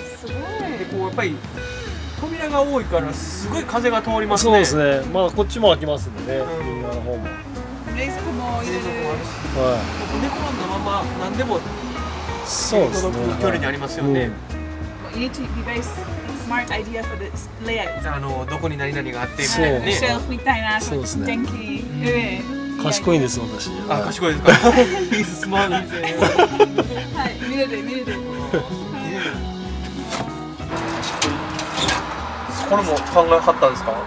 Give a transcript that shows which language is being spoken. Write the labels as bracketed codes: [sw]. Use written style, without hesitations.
[ja] やっぱり扉が多いからすごい風が通りますね。そうですね、まあこっちも開きますんでね、右側、うん、の方も冷蔵庫もいる、はい、ここ寝転んだまま何でも手に届く距離にありますよね。 [en] You need to be very smart idea for the layout。 [ja] あのどこに何々があってみたいなね、シェルフみたいな、そうですね、電気、うん、賢いんです、私。あ、賢いですか。いいです、スマートですね。はい、見れるこれも考えはったんですか。